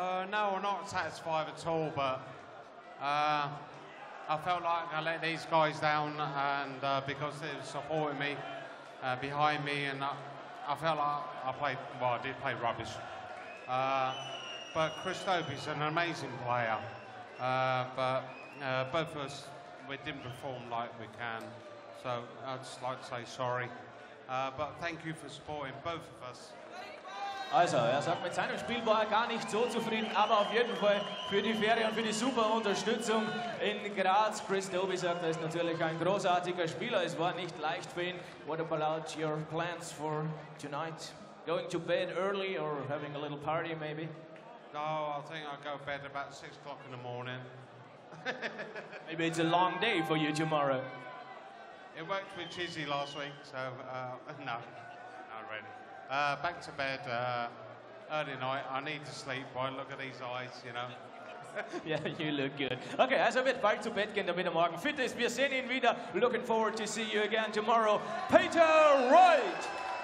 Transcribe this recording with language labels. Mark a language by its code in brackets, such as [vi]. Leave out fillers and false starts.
[en] No, I'm not satisfied at all, but I felt like I let these guys down, and because they were supporting me, behind me, and I felt like I did play rubbish. But Chris Dobey's an amazing player. Both of us, we didn't perform like we can, so I'd just like to say sorry. But thank you for supporting both of us. [de] Also, sagt, mit seinem Spiel war gar nicht so zufrieden, aber auf jeden Fall für die Fähre und für die super Unterstützung in Graz. Chris Dobey sagt, er ist natürlich ein großartiger Spieler, es war nicht leicht für ihn. [en] What about your plans for tonight? Going to bed early or having a little party maybe? No, I think I'll go to bed about 6 o'clock in the morning. Maybe it's a long day for you tomorrow. It worked with Chizzy last week, so no, not really. Back to bed early night. I need to sleep, boy. Look at these eyes, you know. Yeah, you look good. [de] Okay, also wird bald zu Bett gehen, damit er morgen fit ist. Wir sehen ihn wieder. [en] Looking forward to see you again tomorrow. [de] Peter Wright!